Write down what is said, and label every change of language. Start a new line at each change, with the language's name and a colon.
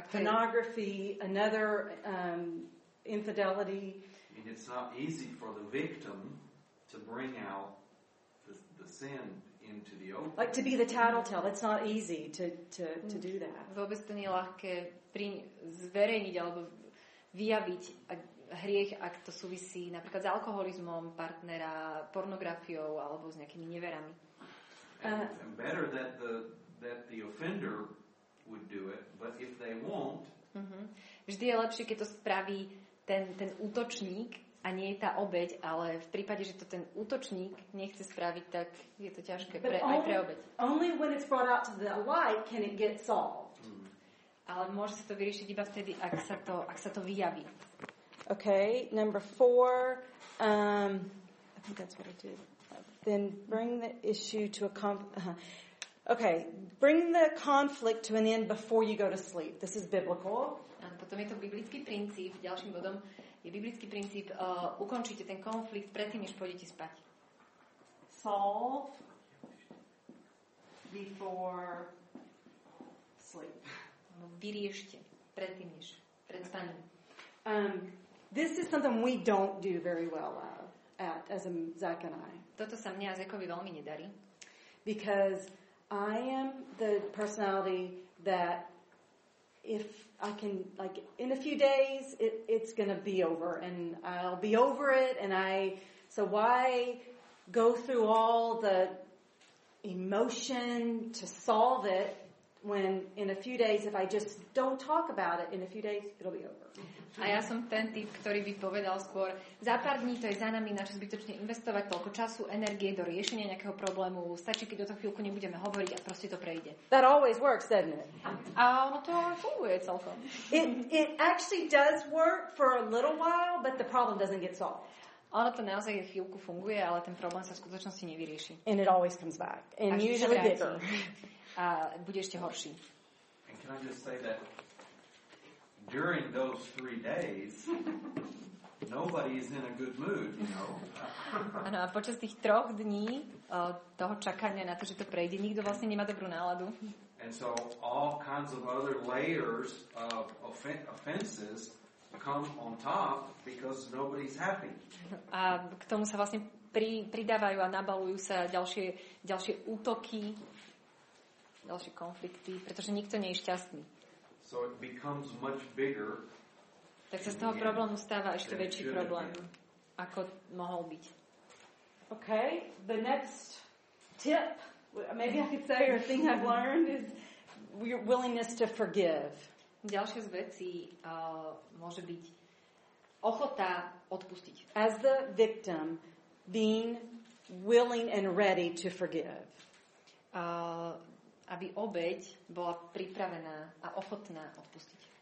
English: pornography, another infidelity. And it's not easy for the victim to bring out the sin into the open. Like to be the tattletale, it's not easy to do that.
Slovak: Vôbec to nie je ľahké zverejniť alebo vyjaviť hriech, ak to súvisí napríklad s alkoholizmom partnera, pornografiou alebo s nejakými neverami.
English: And better that the offender would do it, but if they won't.
Slovak: Vždy je lepšie, keď to spraví ten útočník a nie je tá obeť, ale v prípade, že to ten útočník nechce spraviť, tak je to ťažké pre obeť.
English: Only when it's brought out to the light can it get solved.
Slovak: Ale môže sa to vyriešiť iba vtedy, ak sa to vyjaví.
English: Okay, number four. I think that's what I did. Then bring the issue to a Okay, bring the conflict to an end before you go to sleep. This is biblical.
Slovak: A potom je to biblický princíp. Ďalším bodom je biblický princíp. Ukončite ten konflikt predtým, než pôjdete spať.
English: Solve before sleep.
Slovak: Vyriešte predtým, než pred spaním.
English: This is something we don't do very well at as a Zach and I.
Slovak: Toto sa mne a Zachovi veľmi nedarí.
English: Because I am the personality that if I can, like, in a few days, it's gonna be over and I'll be over it and so why go through all the emotion to solve it when in a few days, if I just don't talk about it, in a few days, it'll be over.
Slovak: A ja som ten typ, ktorý by povedal skôr, za pár dní to je za nami, na čo zbytočne investovať toľko času, energie do riešenia nejakého problému, stačí, keď o to chvíľku nebudeme hovoriť a proste to prejde.
English: That always works, doesn't it?
Slovak: A ono to funguje celkom.
English: It actually does work for a little while, but the problem doesn't get solved.
Slovak: Ono to naozaj chvíľku funguje, ale ten problém sa v skutočnosti nevyrieši.
English: And it always comes back. And usually bigger.
Slovak: A bude ešte horší.
English: And can I just say that during those three days nobody is in a good mood, you know?
Slovak: Ano, a počas tých troch dní toho čakania na to, že to prejde, nikto vlastne nemá dobrú náladu.
English: And so all kinds of other layers of offenses come on top because nobody's happy.
Slovak: A k tomu sa vlastne pridávajú a nabalujú sa ďalšie útoky, ďalšie konflikty, pretože nikto nie je šťastný.
English: So it becomes much bigger.
Slovak: Tak sa z toho problému stáva ešte väčší problém, ako mohol byť.
English: Okay, the next tip, maybe I could say, or thing I've learned is your willingness to forgive.
Slovak: Ďalšia z vecí môže byť ochota odpustiť.
English: As the victim, being willing and ready to forgive.
Slovak: Aby obeť bola pripravená a ochotná odpustiť.